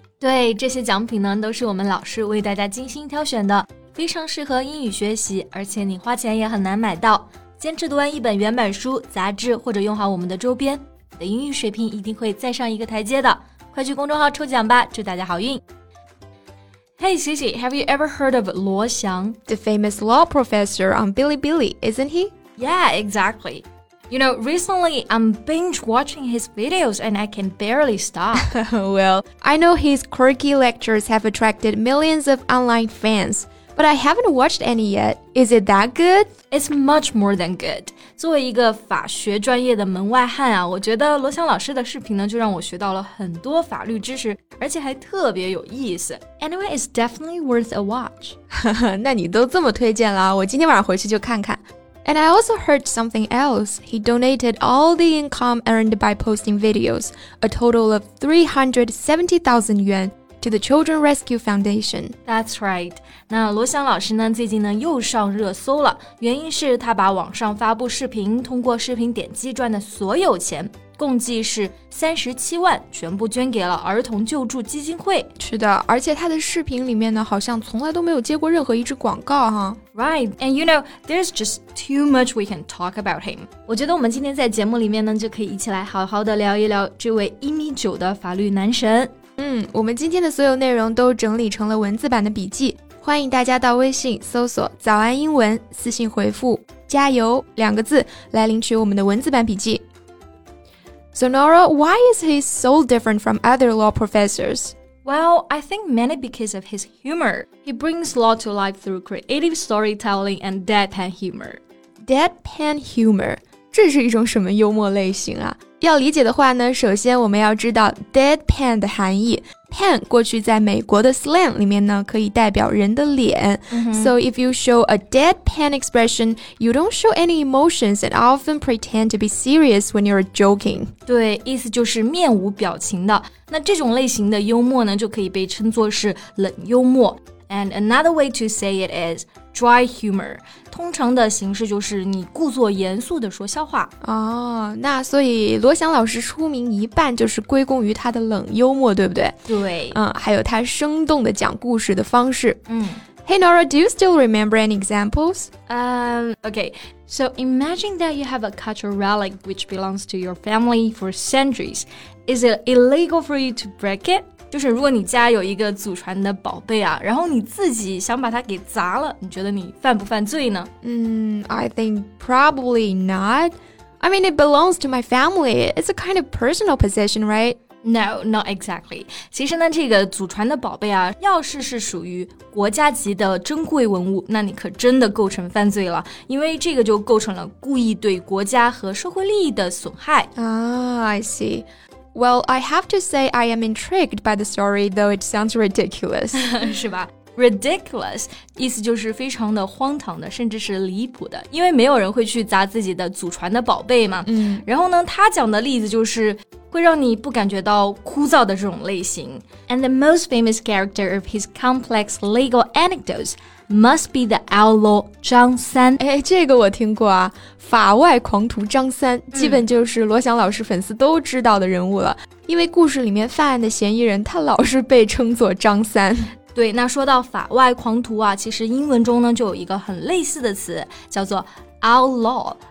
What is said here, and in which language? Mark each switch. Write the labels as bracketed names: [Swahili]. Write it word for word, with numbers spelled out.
[Chinese] 对，这些奖品呢，都是我们老师为大家精心挑选的，非常适合英语学习，而且你花钱也很难买到。坚持读完一本原版书、杂志，或者用好我们的周边，你的英语水平一定会再上一个台阶的。快去公众号抽奖吧，祝大家好运。 [English] Hey Cici, have you ever heard of Luo Xiang? The famous law professor on Bilibili, isn't he? Yeah, exactly. You know, recently I'm binge watching his videos and I can barely stop. Well, I know his quirky lectures have attracted millions of online fans, but I haven't watched any yet. Is it that good? It's much more than good. [Chinese] 作为一个法学专业的门外汉啊，我觉得罗翔老师的视频呢，就让我学到了很多法律知识，而且还特别有意思。 [English] Anyway, it's definitely worth a watch. [Chinese] 那你都这么推荐了，我今天晚上回去就看看。 [English] And I also heard something else. He donated all the income earned by posting videos, a total of three hundred seventy thousand yuan. to the Children Rescue Foundation. That's right. [Chinese] 那罗翔老师呢，最近呢又上热搜了，原因是他把网上发布视频，通过视频点击赚的所有钱，共计是三十七万，全部捐给了儿童救助基金会。是的，而且他的视频里面呢，好像从来都没有接过任何一支广告哈。 [English] Right, and you know, there's just too much we can talk about him. [Chinese] 我觉得我们今天在节目里面呢，就可以一起来好好的聊一聊这位一米九的法律男神。嗯，我们今天的所有内容都整理成了文字版的笔记，欢迎大家到微信搜索早安英文，私信回复加油两个字来领取我们的文字版笔记。 [English] So Nora, why is he so different from other law professors? Well, I think mainly because of his humor. He brings law to life through creative storytelling and deadpan humor. Deadpan humor. [Chinese] 这是一种什么幽默类型啊？要理解的话呢，首先我们要知道 deadpan 的含义。 pan 过去在美国的 slang 里面呢，可以代表人的脸。 Mm-hmm. [English] So if you show a deadpan expression, you don't show any emotions and often pretend to be serious when you're joking. [Chinese] 对，意思就是面无表情的。那这种类型的幽默呢，就可以被称作是冷幽默。 [English] And another way to say it is dry humor. [Chinese] 通常的形式就是你故作严肃地说笑话。哦，那所以罗翔老师出名一半就是归功于他的冷幽默，对不对？对。嗯，还有他生动地讲故事的方式。嗯。 [English] Hey Nora, do you still remember any examples? Um, okay. So imagine that you have a cultural relic which belongs to your family for centuries. Is it illegal for you to break it? [Chinese] 就是如果你家有一个祖传的宝贝啊，然后你自己想把它给砸了，你觉得你犯不犯罪呢？ [English] 嗯， I think probably not. I mean, it belongs to my family. It's a kind of personal possession, right? No, not exactly. [Chinese] 其实呢，这个祖传的宝贝啊，要是是属于国家级的珍贵文物，那你可真的构成犯罪了，因为这个就构成了故意对国家和社会利益的损害。 [English] Ah, I see. Well, I have to say I am intrigued by the story, though it sounds ridiculous. [Chinese] 是吧？ Ridiculous 意思就是非常的荒唐的，甚至是离谱的，因为没有人会去砸自己的祖传的宝贝嘛。嗯。然后呢，他讲的例子就是会让你不感觉到枯燥的这种类型。 [English] And the most famous character of his complex legal anecdotes must be the outlaw 张三。 [Chinese] 哎，这个我听过啊。法外狂徒张三基本就是罗翔老师粉丝都知道的人物了、嗯、因为故事里面犯案的嫌疑人他老是被称作张三。对，那说到法外狂徒啊，其实英文中呢就有一个很类似的词叫做 outlaw。